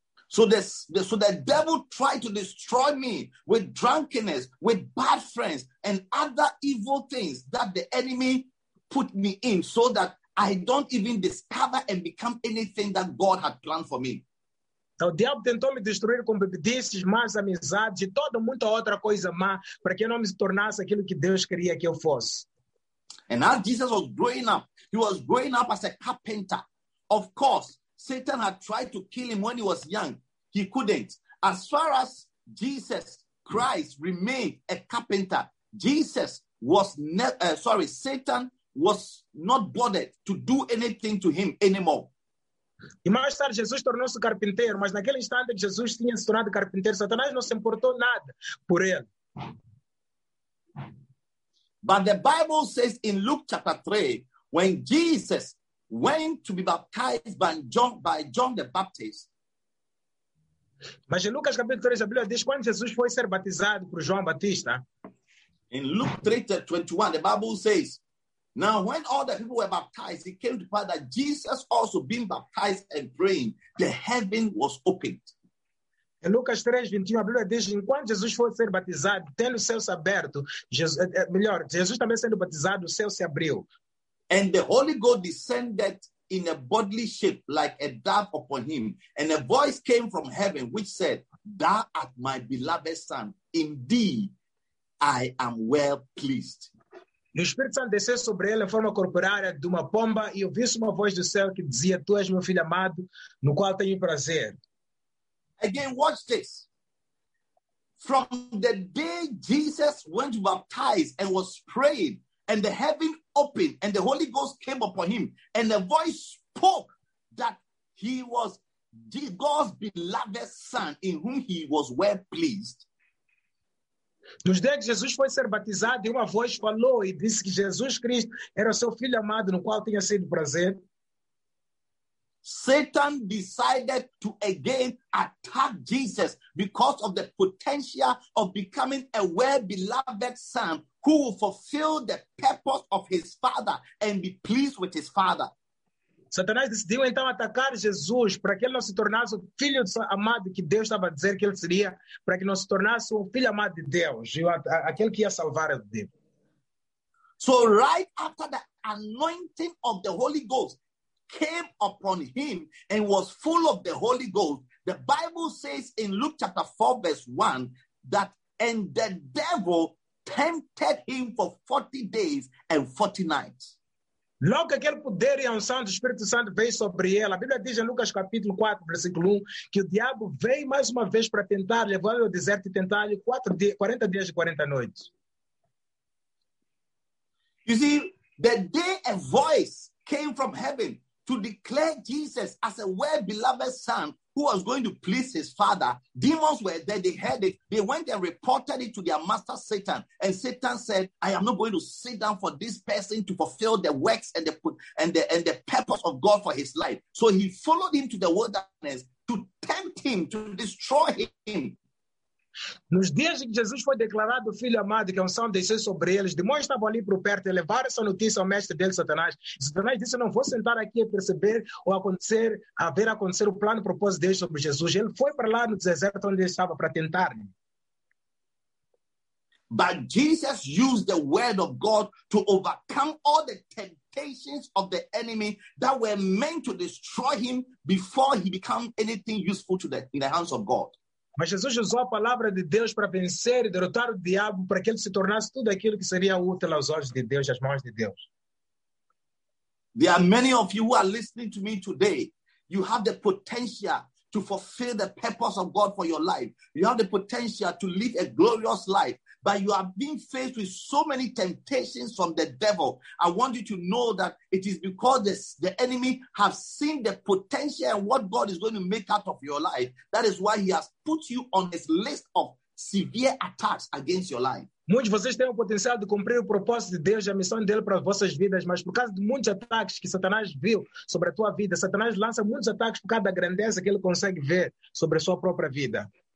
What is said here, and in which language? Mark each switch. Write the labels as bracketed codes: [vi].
[en] So the devil tried to destroy me with drunkenness, with bad friends, and other evil things that the enemy put me in so that I don't even discover and become anything that God had planned for me. [pt] O diabo tentou me destruir com bebedices, más amizades e toda muita outra coisa má para que eu não me tornasse aquilo que Deus queria que eu fosse. [en] And as Jesus was growing up, he was growing up as a carpenter. Of course, Satan had tried to kill him when he was young. He couldn't. As far as Jesus Christ remained a carpenter, Jesus was Satan was not bothered to do anything to him anymore. [pt] E mais tarde Jesus tornou-se carpinteiro, mas naquele instante que Jesus tinha se tornado carpinteiro, Satanás não se importou nada por ele. [en] But the Bible says in Luke chapter 3, when Jesus went to be baptized by John the Baptist. [pt] Mas em Lucas capítulo 3, a Bíblia diz quando Jesus foi ser batizado por João Batista. [en] In Luke 3:21, the Bible says, Now, when all the people were baptized, it came to pass that Jesus also being baptized and praying, the heaven was opened. [pt] Em Lucas 3:21, a Bíblia diz que enquanto Jesus foi ser batizado, tendo os céus abertos, Jesus também sendo batizado, o céu se abriu. [en] And the Holy Ghost descended in a bodily shape like a dove upon him, and a voice came from heaven which said, "Thou art my beloved son, in thee I am well pleased." [pt] E o Espírito Santo desceu sobre ele em forma corporária de uma pomba e ouviu-se uma voz do céu que dizia, "Tu és meu filho amado, no qual tenho prazer." [en] Again, watch this. From the day Jesus went to baptize and was praying, and the heaven opened, and the Holy Ghost came upon him, and the voice spoke that he was God's beloved son in whom he was well pleased. [pt] Dos dias que Jesus foi ser batizado, uma voz falou e disse que Jesus Cristo era seu filho amado, no qual tinha sido prazer. [en] Satan decided to again attack Jesus because of the potential of becoming a well-beloved son who will fulfill the purpose of his father and be pleased with his father. [pt] Satanás decidiu então atacar Jesus para que ele não se tornasse o filho amado que Deus estava a dizer que ele seria, para que não se tornasse o filho amado de Deus, aquele que ia salvar o Deus. [en] So right after the anointing of the Holy Ghost came upon him and was full of the Holy Ghost, the Bible says in Luke chapter 4 verse 1 that and the devil tempted him for 40 days and 40 nights. [pt] Logo aquele poder e a unção do Espírito Santo veio sobre ele. A Bíblia diz em Lucas capítulo 4, versículo 1, que o diabo veio mais uma vez para tentar, levá-lo ao deserto e tentar-lhe 40 dias e 40 noites. [en] You see, the day a voice came from heaven to declare Jesus as a well-beloved son who was going to please his father, demons were there, they heard it, they went and reported it to their master Satan, and Satan said, "I am not going to sit down for this person to fulfill the works and the purpose of God for his life." So he followed him to the wilderness to tempt him, to destroy him. [pt] Nos dias em que Jesus foi declarado filho amado, que a unção desceu sobre eles, demônios estavam ali por perto e levaram essa notícia ao mestre dele, Satanás. Satanás disse, "Eu não vou sentar aqui a perceber ou acontecer, a ver acontecer o plano propósito dele sobre Jesus." Ele foi para lá no deserto onde ele estava para tentar. [en] But Jesus used the word of God to overcome all the temptations of the enemy that were meant to destroy him before he became anything useful to in the hands of God. [pt] Mas Jesus usou a palavra de Deus para vencer e derrotar o diabo para que ele se tornasse tudo aquilo que seria útil aos olhos de Deus e às mãos de Deus. [en] There are many of you who are listening to me today. You have the potential to fulfill the purpose of God for your life. You have the potential to live a glorious life. But you are being faced with so many temptations from the devil. I want you to know that it is because the enemy has seen the potential and what God is going to make out of your life. That is why he has put you on his list of severe attacks against your life. [pt] Muitos de vocês têm o potencial de cumprir o propósito de Deus e a missão dele para as vossas vidas, mas por causa de muitos ataques que Satanás viu sobre a tua vida, Satanás lança muitos ataques por causa da grandeza que ele consegue ver sobre a sua própria vida.